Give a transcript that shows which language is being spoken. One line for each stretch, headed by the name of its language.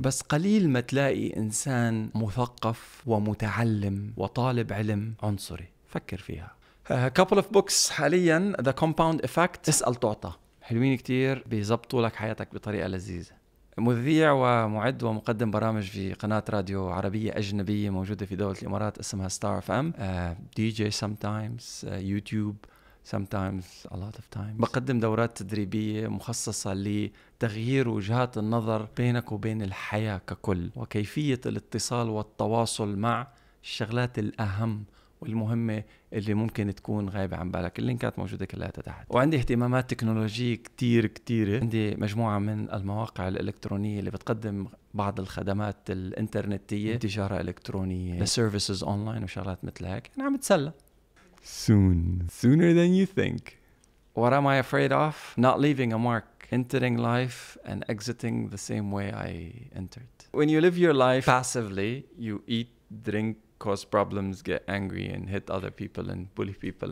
Arabic: بس قليل ما تلاقي إنسان مثقف ومتعلم وطالب علم عنصري. فكر فيها.
English: A couple of books
Arabic: حاليا، The Compound Effect، اسأل تعطى. حلوين كتير بيزبطوا لك حياتك بطريقة لذيذة. مذيع ومعد ومقدم برامج في قناة راديو عربية أجنبية موجودة في دولة الإمارات اسمها ستار اف ام. دي جي
English: sometimes, YouTube sometimes, a lot of times.
Arabic: بقدم دورات تدريبية مخصصة لتغيير وجهات النظر بينك وبين الحياة ككل وكيفية الاتصال والتواصل مع الشغلات الأهم والمهمة اللي ممكن تكون غايبة عن بالك. اللينكات موجودة كلها تحت. وعندي اهتمامات تكنولوجية كتير كتيرة. عندي مجموعة من المواقع الإلكترونية اللي بتقدم بعض الخدمات الإنترنتية, تجارة إلكترونية,
English: services online
Arabic: وشغلات مثل هيك. أنا عم بتسلى.
English: Soon, sooner than you think. What am I afraid of? Not leaving a mark. Entering life and exiting the same way I entered. When you live your life passively, you eat, drink, cause problems, get angry and hit other people and bully people.